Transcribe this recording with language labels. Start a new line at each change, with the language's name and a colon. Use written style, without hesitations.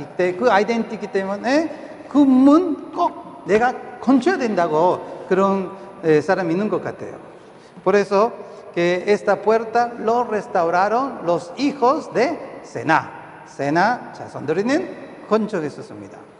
Korean: Que identity 때문에 그 문 꼭 내가 건져야 된다고 그런 사람 있는 것 같아요.
Spanish: Por eso que esta puerta lo restauraron los hijos de Sena.
Korean: Sena 자손들은 건축했었습니다.